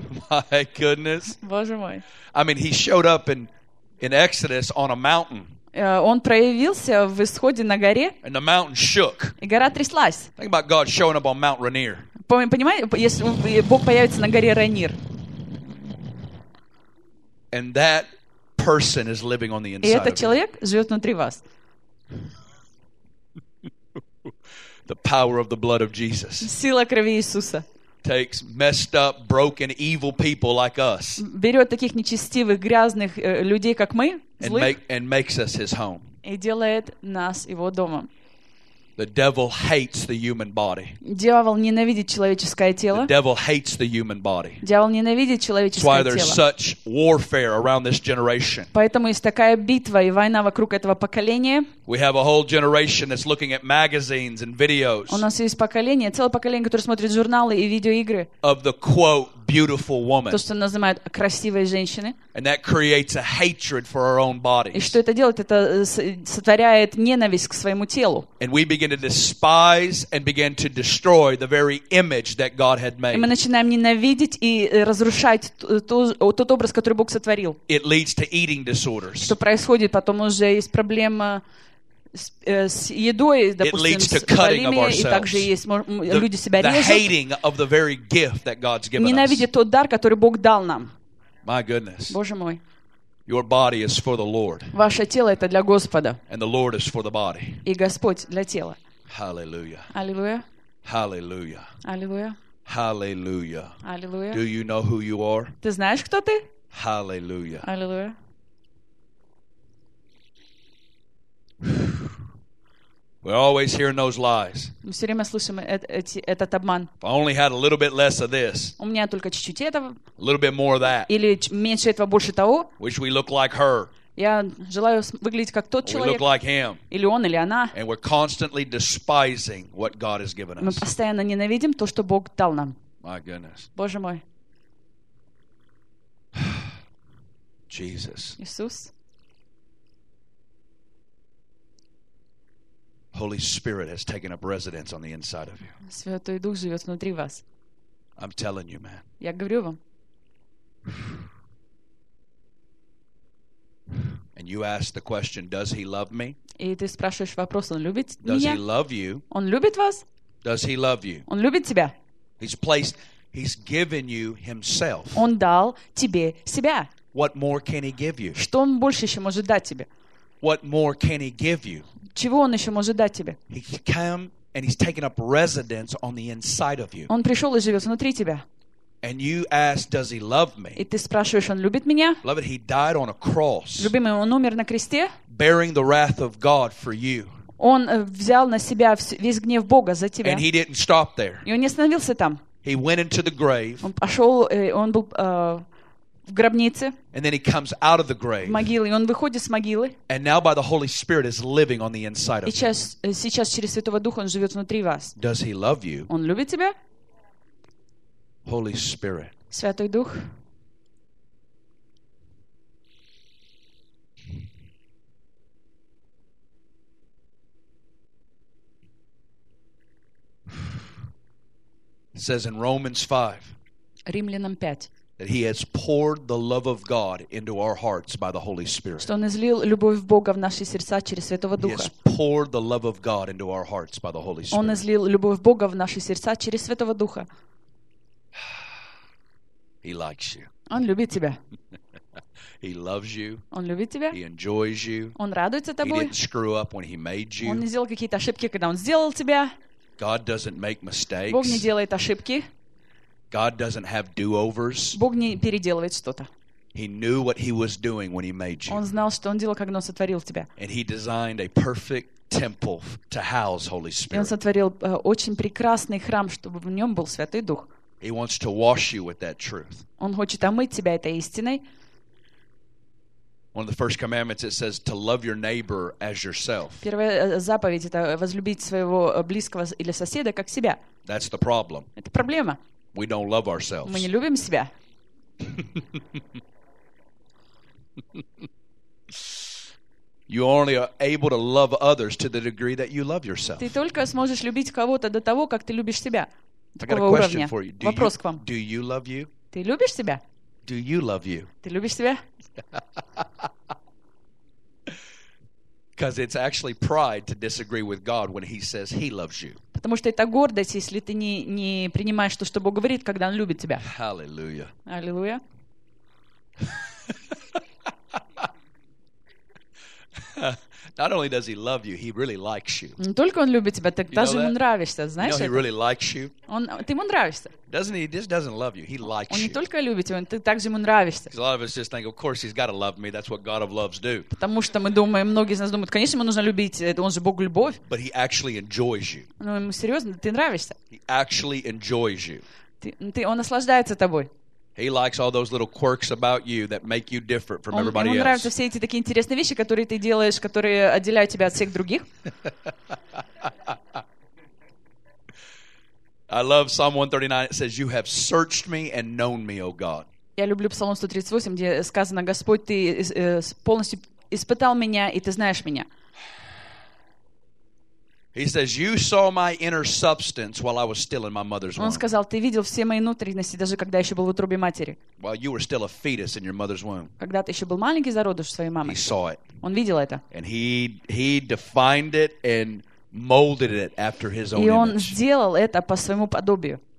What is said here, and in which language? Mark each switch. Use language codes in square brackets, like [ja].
[en] My goodness. [ru] Боже мой. [en] I mean, he showed up in Exodus on a mountain. [ru] Он проявился в Исходе на горе. [en] And the mountain shook. [ru] И гора тряслась. [en] Think about God showing up on Mount Rainier. [ru] Понимаете, если Бог появится на горе Ранир. [en] And that person is living on the inside. [ru] И этот человек живет внутри вас. [en] The power of the blood of Jesus. [ru] Сила крови Иисуса. [en] Takes messed up, broken, evil people like us. [ru] Берет таких нечестивых, грязных людей, как мы, злых. [en] And makes us his home. [ru] И делает нас его домом. [en] The devil hates the human body. [ru] Дьявол ненавидит человеческое тело. [en] The devil hates the human body. [ru] Дьявол ненавидит человеческое тело. [en] That's why there's such warfare around this generation. [ru] Поэтому есть такая битва и война вокруг этого поколения. [en] We have a whole generation that's looking at magazines and videos. [ru] У нас есть поколение, целое поколение, которое смотрит журналы и видеоигры. [en] Of the quote beautiful woman. [ru] То, что называют красивой женщиной. [en] And that creates a hatred for our own bodies. [ru] И что это делает? Это сотворяет ненависть к своему телу. [en] And we begin to despise and begin to destroy the very image that God had made. [ru] И мы начинаем ненавидеть и разрушать тот образ, который Бог сотворил. [en] It leads to eating disorders. [ru] Что происходит? Потом уже есть проблема с едой, допустим, с болезнями, и также есть люди себя режут. Ненавидят тот дар, который Бог дал нам. [en] My goodness. [ru] Боже мой. [en] Your body is for the Lord. [ru] Ваше тело это для Господа. [en] And the Lord is for the body. [ru] И Господь для тела. [en] Hallelujah. [ru] Аллилуйя. [en] Hallelujah. [ru] Аллилуйя. [en] Hallelujah. [ru] Аллилуйя. [en] Do you know who you are? [ru] Ты знаешь, кто ты? [en] Hallelujah. [ru] Аллилуйя. [en] We're always hearing those lies. [ru] Мы все время слышим этот обман. [en] If I only had a little bit less of this. [ru] У меня только чуть-чуть этого. [en] A little bit more of that. [ru] Или меньше этого, больше того. [en] Wish we look like her. [ru] Я желаю выглядеть как тот человек. [en] We look like him. [ru] Или он, или она. [en] And we're constantly despising what God has given us. [ru] Мы постоянно ненавидим то, что Бог дал нам. [en] My goodness. [ru] Боже мой. [en] Jesus. [ru] Иисус. [en] Holy Spirit has taken up residence on the inside of you. [ru] Святой Дух живет внутри вас. [en] I'm telling you, man. [ru] Я говорю вам. [en] And you ask the question, does he love me? [ru] И ты спрашиваешь вопрос, он любит меня? [en] Does he love you? [ru] Он любит вас? [en] Does he love you? [ru] Он любит тебя? [en] He's given you himself. [ru] Он дал тебе себя. [en] What more can he give you? [ru] Что он больше еще может дать тебе? [en] What more can he give you? [ru] Чего он еще может дать тебе? [en] He came and he's taken up residence on the inside of you. [ru] Он пришел и живет внутри тебя. [en] And you ask, does he love me? [ru] И ты спрашиваешь, он любит меня? [en] Beloved, he died on a cross. [ru] Любимый, он умер на кресте. [en] Bearing the wrath of God for you. [ru] Он взял на себя весь гнев Бога за тебя. [en] And he didn't stop there. [ru] И он не остановился там. [en] He went into the grave. [ru] Он пошел, он был в гробнице. [en] And then he comes out of the grave. [ru] В могиле, и он выходит с могилы. [en] And now by the Holy Spirit is living on the inside of you. [ru] Сейчас через Святого Духа он живет внутри вас. [en] Does he love you? [ru] Он любит тебя? [en] Holy Spirit. [ru] Святой Дух. [en] It says in Romans 5. [ru] Римлянам 5. [en] That he has poured the love of God into our hearts by the Holy Spirit. [ru] Что он излил любовь Бога в наши сердца через Святого Духа. [en] He has poured the love of God into our hearts by the Holy Spirit. [ru] Он излил любовь Бога в наши сердца через Святого Духа. [en] He likes you. [ru] Он любит тебя. [en] He loves you. [ru] Он любит тебя. [en] He enjoys you. [ru] Он радуется тобой. [en] He didn't screw up when he made you. [ru] Он не сделал какие-то ошибки, когда он сделал тебя. [en] God doesn't make mistakes. [ru] Бог не делает ошибки. [en] God doesn't have do-overs. [ru] Бог не переделывает что-то. [en] He knew what he was doing when he made you. [ru] Он знал, что он делал, когда он сотворил тебя. [en] And he designed a perfect temple to house Holy Spirit. [ru] И он сотворил очень прекрасный храм, чтобы в нем был Святой Дух. [en] He wants to wash you with that truth. [ru] Он хочет омыть тебя этой истиной. [en] One of the first commandments it says to love your neighbor as yourself. [ru] Первая заповедь это возлюбить своего близкого или соседа как себя. [en] That's the problem. [ru] Это проблема. [en] We don't love ourselves. [ru] Мы не любим себя. [en] You only are able to love others to the degree that you love yourself. [ru] Ты только сможешь любить кого-то до того, как ты любишь себя. Такого уровня. [en] For you. [ru] Вопрос к вам. [en] Do you love you? [ru] Ты любишь себя? [en] Do you love you? [ru] Ты любишь себя? [en] Because it's actually pride to disagree with God when He says He loves you. [ru] Потому что это гордость, если ты не принимаешь то, что Бог говорит, когда Он любит тебя. [en] Hallelujah. Hallelujah. Hallelujah. Not only does he love you, he really likes you. [ru] Не только он любит тебя, так даже ему нравишься, знаешь? [en] No, he really likes you. [ru] Он, ты ему нравишься. [en] Doesn't he? Just doesn't love you. He likes you. [ru] Он не только любит тебя, ты также ему нравишься. [en] A lot of us just think, of course, he's got to love me. That's what God of loves do. [ru] Потому что мы думаем, многие из нас думают, конечно, ему нужно любить, он же Бог любовь. [en] But he actually enjoys you. [ru] Ну, ему серьезно, ты нравишься? [en] He actually enjoys you. [ru] Он наслаждается тобой. [en] He likes all those little quirks about you that make you different from everybody else. [ru] Ему нравятся все эти такие интересные вещи, которые ты делаешь, которые отделяют тебя от всех других. [en] I love Psalm 139. It says, "You have searched me and known me, O God." [ru] Я люблю Псалом 138, где сказано: Господь, ты полностью испытал меня и ты знаешь меня. [en] He says, "You saw my inner substance while I was still in my mother's womb." [ru] Он сказал, ты видел все мои внутренности, даже когда еще был в утробе матери. [en] While you were still a fetus in your mother's womb. [ru] Когда ты еще был маленький зародыш своей мамы. [en] He saw it. [ru] Он видел это. [en] And he defined it and molded it after his own image. [ru] И он сделал это по своему подобию.